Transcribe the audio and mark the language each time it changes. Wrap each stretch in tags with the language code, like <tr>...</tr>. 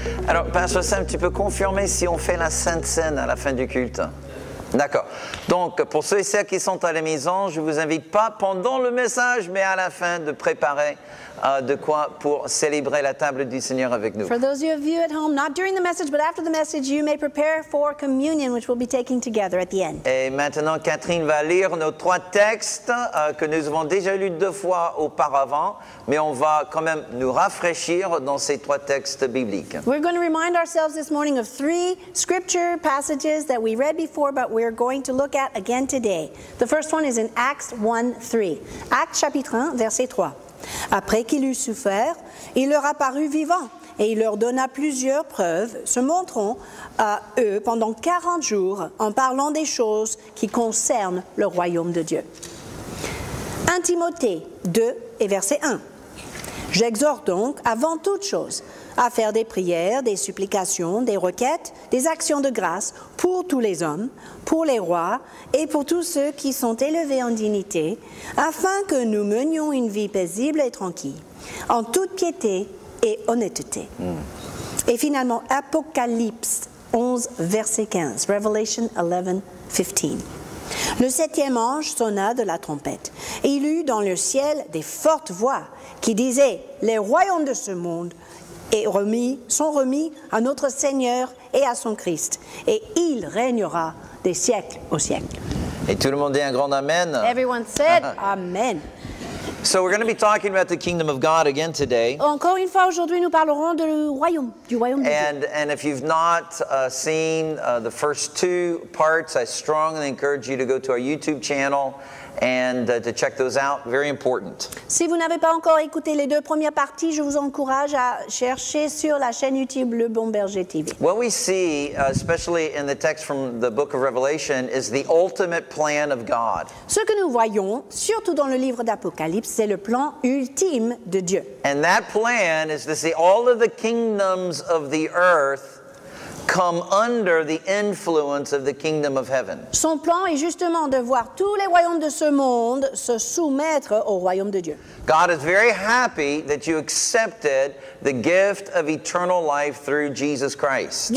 <fr>Alors, Pasteur Sam, tu peux confirmer si on fait la Sainte Cène à la fin du culte? D'accord. Donc, pour ceux et celles qui sont à la maison, je ne vous invite pas pendant le message, mais à la fin, de préparer de quoi pour célébrer la table du Seigneur avec nous.</fr> <en>For those of you at home, not during the message, but after the message, you may prepare for communion, which we'll be taking together at the end.</en> <fr>Et maintenant, Catherine va lire nos trois textes que nous avons déjà lus deux fois auparavant, mais on va quand même nous rafraîchir dans ces trois textes bibliques.</fr> <en>We're going to remind ourselves this morning of three scripture passages that we read before, but we're going to look at again today. The first one is in Acts 1:3. Acts</en> <fr>chapitre 1, verset 3. Après qu'il eut souffert, il leur apparut vivant et il leur donna plusieurs preuves, se montrant à eux pendant 40 jours en parlant des choses qui concernent le royaume de Dieu. 1 Timothée 2 et verset 1. J'exhorte donc avant toute chose à faire des prières, des supplications, des requêtes, des actions de grâce pour tous les hommes, pour les rois et pour tous ceux qui sont élevés en dignité, afin que nous menions une vie paisible et tranquille, en toute piété et honnêteté. Et finalement, Apocalypse 11, verset 15, Revelation 11, 15. Le septième ange sonna de la trompette, et il eut dans le ciel des fortes voix qui disaient « Les royaumes de ce monde sont remis à notre Seigneur et à son Christ, et il règnera des siècles aux siècles. » Et tout le monde dit un grand amen.</fr> <en>Everyone said amen. So we're going to be talking about the kingdom of God again today.</en> <fr>Encore une fois aujourd'hui, nous parlerons de du royaume de Dieu.</fr> <en>And if you've not seen the first two parts, I strongly encourage you to go to our YouTube channel and to check those out. Very important.</en> <fr>Si vous n'avez pas encore écouté les deux premières parties, je vous encourage à chercher sur la chaîne YouTube Le Bon Berger TV.</fr> <en>What we see, especially in the text from the book of Revelation, is the ultimate plan of God.</en> <fr>Ce que nous voyons, surtout dans le livre d'Apocalypse, c'est le plan ultime de Dieu.</fr> <en>And that plan is to see all of the kingdoms of the earth come under the influence of the kingdom of heaven.</en> <fr>Son plan est justement de voir tous les royaumes de ce monde se soumettre au royaume de Dieu.</fr> <en>God is very happy that you accepted the gift of eternal life through Jesus Christ.</en>